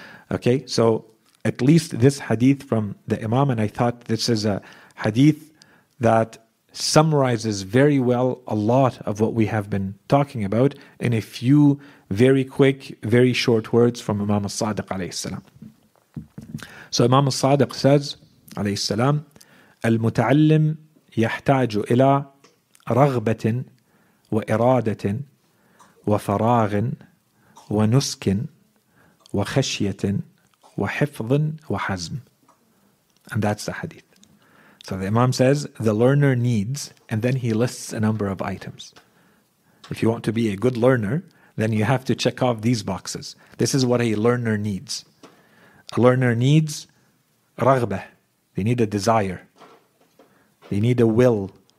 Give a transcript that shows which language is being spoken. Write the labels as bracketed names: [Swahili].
[English] Okay, so at least this hadith from the Imam, and I thought this is a hadith that summarizes very well a lot of what we have been talking about in a few very quick, very short words from Imam al-Sadiq alayhi salam. So Imam al-Sadiq says, [Arabic] alayhi salam, المتعلم يحتاج إلى رغبة وإرادة وفراغ ونسك وخشية وحفظ وحزم. [English] And that's the hadith. So the Imam says, the learner needs, and then he lists a number of items. If you want to be a good learner, then you have to check off these boxes. This is what a learner needs. A learner needs raghbah. They need a desire. They need a will.